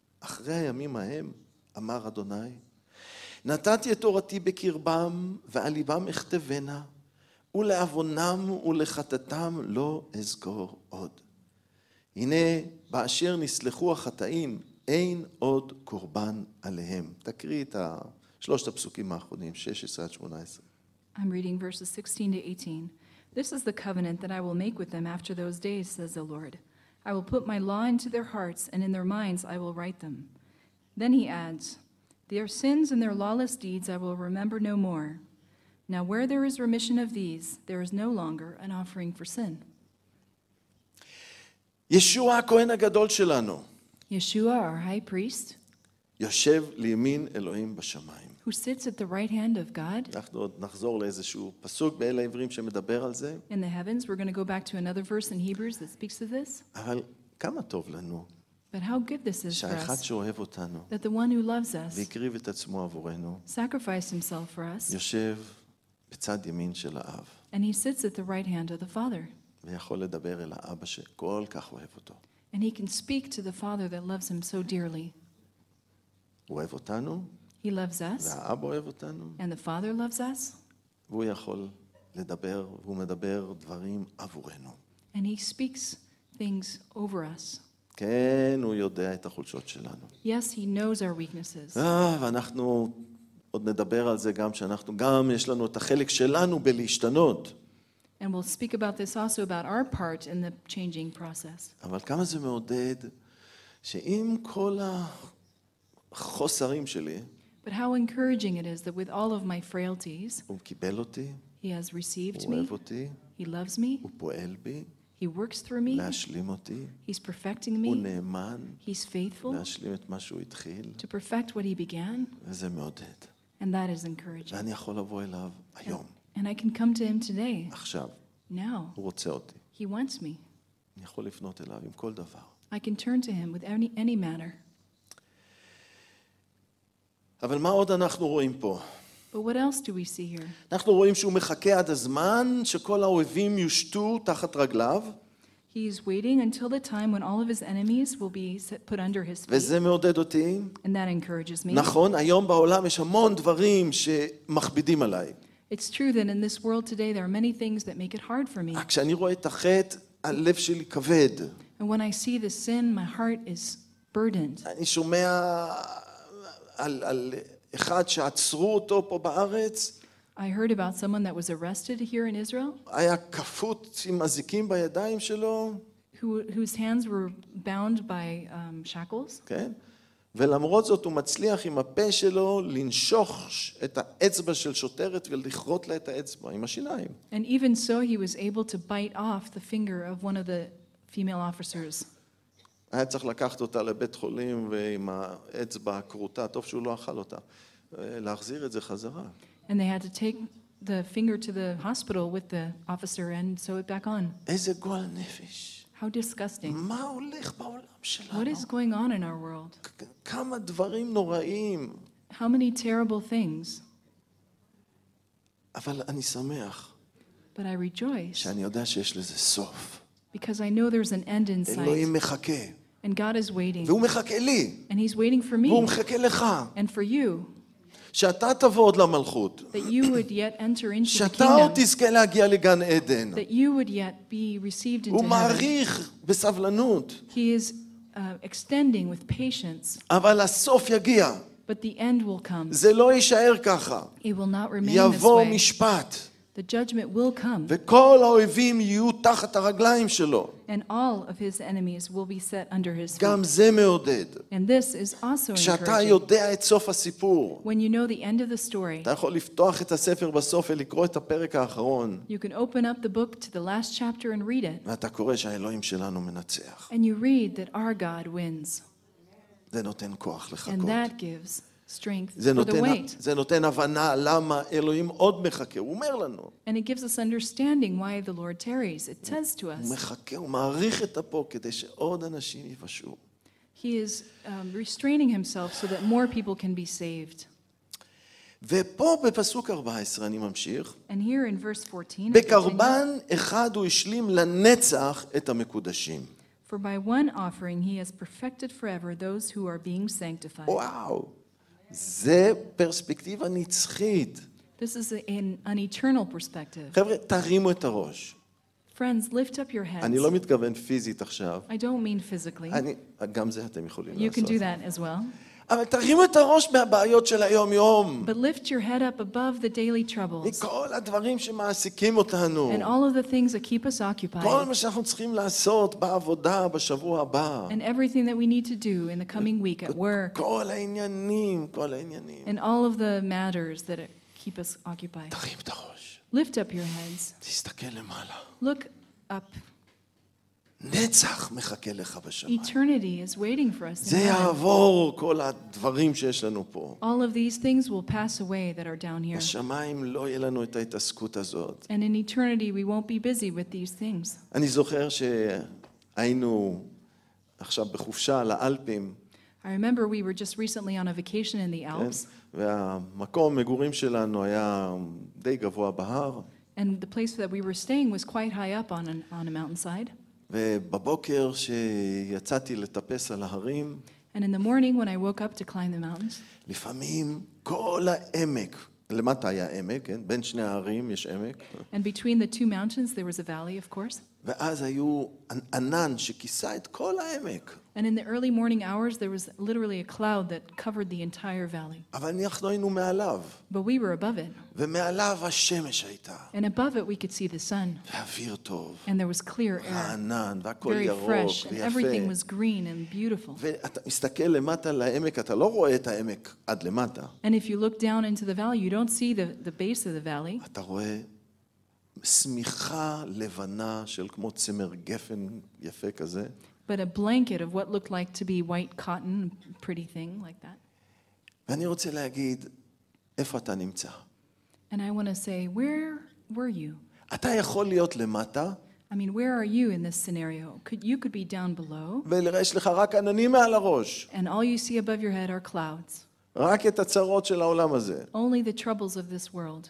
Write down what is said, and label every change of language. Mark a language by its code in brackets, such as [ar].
[he] אחרי הימים ההם, אמר אדוני, נתתי את תורתי בקרבם ועל ליבם אכתבנה, ולאבונם ולחטאתם לא אזכור עוד. הנה, באשר נסלחו החטאים, אין עוד קורבן עליהם. תקריא את ה... שלושת הפסוקים האחרונים, 16 עד 18. [en] I'm reading verses 16 to 18. This is the covenant that I will make with them after those days, says the Lord. I will put my law into their hearts, and in their minds I will write them. Then he adds, their sins and their lawless deeds I will remember no more. Now where there is remission of these, there is no longer an offering for sin. [he] Yeshua, הכהן הגדול שלנו. [en] Yeshua, our high priest. [he] יושב לימין אלוהים בשמיים. [en] Who sits at the right hand of God? [he] אנחנו נחזור לאיזשהו פסוק באל העברים שמדבר על זה. [en] In the heavens, we're going to go back to another verse in Hebrews that speaks of this. [he] אבל כמה טוב לנו. [en] But how good this is for us. [he] שאחד שאוהב אותנו. [en] That the one who loves us. [he] והקריב את עצמו עבורנו. [en] Sacrificed himself for us. [he] יושב בצד ימין של האב. [en] And he sits at the right hand of the Father. [he] ויכול לדבר אל האבא שכל כך אוהב אותו. [en] And he can speak to the Father that loves him so dearly. [he] הוא אוהב אותנו. [en] He loves us. [he] והאבא אוהב אותנו. [en] And the Father loves us. [he] והוא יכול לדבר, והוא מדבר דברים עבורנו. [en] And he speaks things over us. [he] כן, הוא יודע את החולשות שלנו. [en] Yes, he knows our weaknesses. [he] ואנחנו עוד נדבר על זה גם שאנחנו גם יש לנו את החלק שלנו בלהשתנות. [en] And we'll speak about this also about our part in the changing process. [he] אבל כמה זה מעודד שעם כל החוסרים שלי, [en] But how encouraging it is that with all of my frailties, [he] הוא קיבל אותי. [en] He has received me. [he] הוא אוהב אותי. [en] He loves me. [he] הוא פועל בי. [en] He works through me. [he] להשלים אותי. [en] He's perfecting me. [he] הוא נאמן. [en] He's faithful. [he] להשלים את מה שהוא התחיל. [en] To perfect what he began. [he] וזה מעודד. [en] And that is encouraging. [he] ואני יכול לבוא אליו היום. [en] And I can come to him today. [he] עכשיו. [en] Now. [he] הוא רוצה אותי. [en] He wants me. [he] אני יכול לפנות אליו עם כל דבר. [en] I can turn to him with any matter. [he] אבל מה עוד אנחנו רואים פה? [en] But what else do we see here? [he] אנחנו רואים שהוא מחכה עד הזמן שכל האויבים יושטו תחת רגליו. [en] He's waiting until the time when all of his enemies will be set, put under his feet. [he] וזה מעודד אותי. [en] And that encourages me. [he] נכון, היום בעולם יש המון דברים שמכבידים עליי. [en] It's true that in this world today there are many things that make it hard for me. [he] כשאני רואה את החטא, הלב שלי כבד. [en] And when I see the sin, my heart is burdened. [he] אני שומע על אחד שעצרו אותו פה בארץ. [en] I heard about someone that was arrested here in Israel. [he] היה כפות עם אזיקים בידיים שלו. [en] Whose hands were bound by shackles. [he] כן. ולמרות זאת הוא מצליח עם הפה שלו לנשוך את האצבע של שוטרת ולכרות לה את האצבע עם השיניים. [en] And even so he was able to bite off the finger of one of the female officers. [he] היה צריך לקחת אותה לבית חולים ועם האצבע הקרוטה, טוב שהוא לא אכל אותה, להחזיר את זה חזרה. [en] And they had to take the finger to the hospital with the officer and sew it back on. [he] איזה גועל נפש. [en] How disgusting. [he] מה הולך בעולם שלנו? [en] What is going on in our world? [he] כמה דברים נוראים. [en] How many terrible things. [he] אבל אני שמח. [en] But I rejoice. [he] שאני יודע שיש לזה סוף. [en] Because I know there's an end in sight. [he] אלוהים מחכה. [en] And God is waiting. [he] והוא מחכה לי. [en] And he's waiting for me. [he] והוא מחכה לך. [en] And for you. [he] שאתה תבוא עוד למלכות. [en] That you would yet enter into the kingdom. [he] שאתה עוד תזכה להגיע לגן עדן. [en] That you would yet be received into heaven. [he] הוא מעריך בסבלנות. [en] He is extending with patience. [he] אבל הסוף יגיע. [en] But the end will come. [he] זה לא יישאר ככה. [en] It will not remain this way. [he] יבוא משפט. [en] The judgment will come. [he] וכל האויבים יהיו תחת הרגליים שלו. [en] And all of his enemies will be set under his feet. [he] גם זה מעודד. [en] And this is also encouraging. [he] כשאתה יודע את סוף הסיפור. [en] When you know the end of the story. [he] אתה יכול לפתוח את הספר בסוף ולקרוא את הפרק האחרון. [en] You can open up the book to the last chapter and read it. [he] ואתה קורא שהאלוהים שלנו מנצח. [en] And you read that our God wins. [he] זה נותן כוח לחכות. [en] And that gives strength for the wait. [he] זה נותן הבנה למה אלוהים עוד מחכה. הוא אומר לנו. [en] And it gives us understanding why the Lord tarries. It says to us. [he] הוא מחכה, הוא מעריך את הפה כדי שעוד אנשים יבשו. [en] He is restraining himself so that more people can be saved. [he] ופה בפסוק 14 אני ממשיך. [en] And here in verse 14. [he] בקרבן אחד הוא השלים לנצח את המקודשים. [en] For by one offering he has perfected forever those who are being sanctified. [he] וואו. זה פרספקטיבה נצחית. [en] This is an eternal perspective. [he] חבר'ה, תרימו את הראש. [en] Friends, lift up your heads. [he] אני לא מתכוון פיזית עכשיו. [en] I don't mean physically. [he] אני, גם זה אתם יכולים לעשות. [en] You can do that as well. [he] אבל תרימו את הראש מהבעיות של היום יום. [en] But lift your head up above the daily troubles. [he] מכל הדברים שמעסיקים אותנו. [en] And all of the things that keep us occupied. [he] כל מה שאנחנו צריכים לעשות בעבודה בשבוע הבא. [en] And everything that we need to do in the coming week at work. [he] כל העניינים. [en] And all of the matters that keep us occupied. [he] תרים את הראש. [en] Lift up your heads. [he] תסתכל למעלה. [en] Look up. [he] נצח מחכה לך בשמיים. [en] Eternity is waiting for us. [he] זה יעבור כל הדברים שיש לנו פה. [en] All of these things will pass away that are down here. [he] בשמיים לא יהיה לנו את ההתעסקות הזאת. [en] And in eternity we won't be busy with these things. [he] אני זוכר שהיינו עכשיו בחופשה על האלפים. [en] I remember we were just recently on a vacation in the Alps. [he] והמקום מגורים שלנו היה די גבוה בהר. [en] And the place that we were staying was quite high up on a mountainside. [he] ובבוקר שיצאתי לטפס על ההרים, [en] and in the morning when I woke up to climb the mountains, [he] לפעמים כל העמק, למטה היה עמק, כן? בין שני ההרים יש עמק. [en] And between the two mountains there was a valley, of course. [he] ואז היו ענן שכיסה את כל העמק. [en] And in the early morning hours there was literally a cloud that covered the entire valley. [he] אבל אנחנו היינו מעליו. [en] But we were above it. [he] ומעליו השמש הייתה. [en] And above it we could see the sun. [he] ואוויר טוב. [en] And there was clear air. [he] הענן, והכל ירוק, ויפה. [en] Very fresh, and everything was green and beautiful. [he] ואתה מסתכל למטה לעמק, אתה לא רואה את העמק עד למטה. [en] And if you look down into the valley you don't see the base of the valley. [he] אתה רואה סמיכה לבנה של כמו צמר גפן יפה כזה. [en] But a blanket of what looked like to be white cotton, pretty thing like that. [he] ואני רוצה להגיד, איפה אתה נמצא? [en] And I want to say, where were you? [he] אתה יכול להיות למטה. [en] I mean, where are you in this scenario? You could be down below. [he] ויש לך רק עננים מעל הראש. [en] And all you see above your head are clouds. [he] רק את הצרות של העולם הזה. [en] Only the troubles of this world.